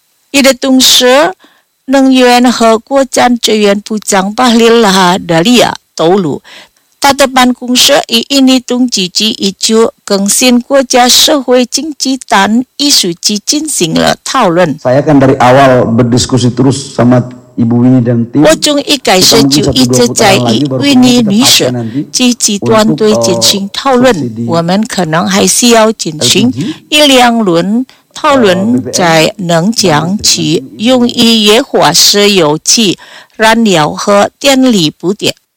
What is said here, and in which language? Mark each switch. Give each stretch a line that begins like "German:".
Chinese: 与此同时，能源和矿产资源部长巴里拉达利亚透露，他的办公室与印尼统计局已就更新国家社会经济单一数据进行了讨论。
Indonesian: Saya kan dari awal berdiskusi terus sama Ibu Winnie dan tim.
Chinese: 我从一开始就一直在与 Winnie 女士及其团队进行讨论。我们可能还需要进行一两轮讨论，才能将其用于液化石油气燃料和电力补贴。